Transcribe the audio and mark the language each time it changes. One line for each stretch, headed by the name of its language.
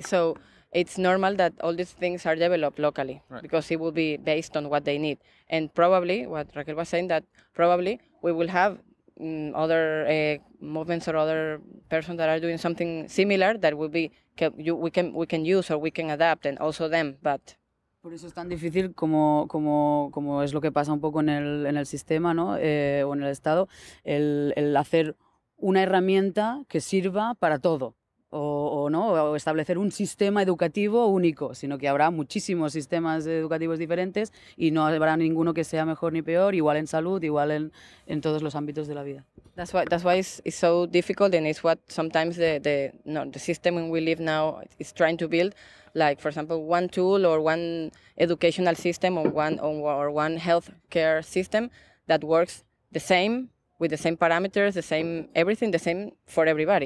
English: So it's normal that all these things are developed locally, right, because it will be based on what they need. And probably, what Raquel was saying, that probably we will have other movements or other persons that are doing something similar that will be we can use or we can adapt, and also them, but.
Spanish: Por eso es tan difícil como es lo que pasa un poco en el sistema, ¿no? O en el Estado, el hacer una herramienta que sirva para todo, o no, o establecer un sistema educativo único, sino que habrá muchísimos sistemas educativos diferentes y no habrá ninguno que sea mejor ni peor, igual en salud, igual en todos los ámbitos de la vida.
English: That's why it's so difficult, and it's what sometimes the system in we live now is trying to build. Like, for example, one tool or one educational system or one healthcare system that works the same with the same parameters, the same everything, the same for everybody.